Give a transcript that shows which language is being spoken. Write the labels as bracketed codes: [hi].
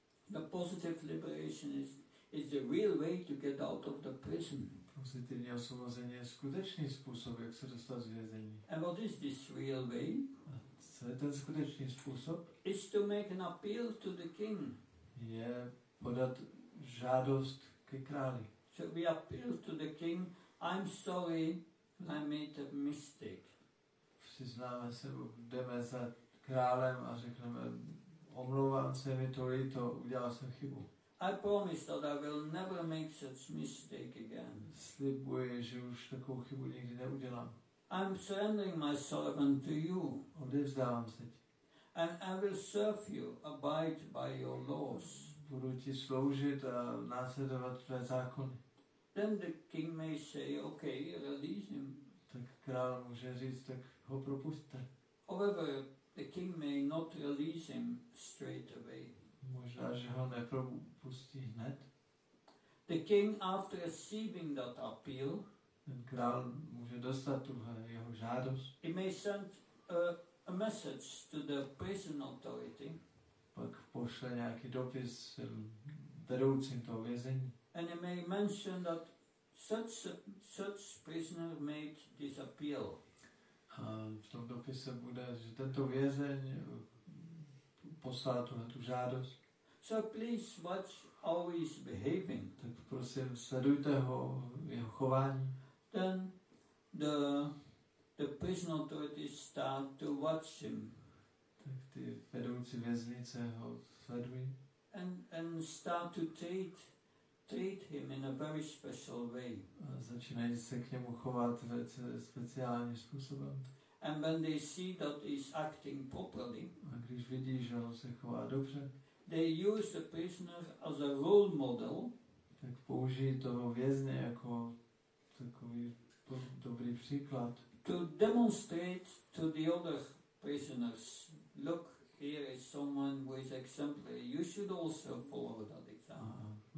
[en] The positive liberation is the real way to get out of the prison. [cs] Pozitivní osvobození je skutečný způsob, jak se dostat z vězení. [en] And what is this real way? [cs] A co je ten skutečný způsob? [en] Is to make an appeal to the king. [cs] Je podat žádost ke králi. [en] So we appeal to the king, I'm sorry, I made a mistake. [cs] Přiznáme se, jdeme za králem a řekneme, omlouvám se, mi to líto, udělal jsem chybu. [en] I promise that I will never make such mistake again. [cs] Slibuji, že už takovou chybu nikdy neudělám. [en] I'm surrendering myself unto you. [cs] Odevzdávám se ti. [en] And I will serve you, abide by your laws. [cs] Budu ti sloužit a následovat tvé zákony. [en] Then the king may say, okay, release him. [cs] Tak král může říct, tak ho propustte. [en] However, the king may not release him straight away. [cs] Možná, že ho nepropustí hned. [en] The king, after receiving that appeal, [cs] ten král může dostat tuhle jeho žádost. [en] He may send a message to the prison authority. [cs] Pak pošle nějaký dopis vedoucím toho vězení. [en] And he may mention that such prisoner made this appeal. [cs] A v tom dopise bude, že tento vězeň poslal tuhle tu žádost. [en] So please watch how he's behaving. [cs] Tak prosím, sledujte ho, jeho chování. [en] Then the prison authority start to watch him. [cs] Tak ty vedoucí věznice ho sledují. [en] And start to treat him in a very special way. [cs] A začínají se k němu chovat velice speciálním způsobem. [en] And when they see that he's acting properly, [cs] a když vidí, že on se chová dobře, [en] they use the prisoner as a role model, [cs] tak použijí toho vězně jako takový dobrý příklad, [en] to demonstrate to the other prisoners, look, here is someone who is exemplary, you should also follow that example.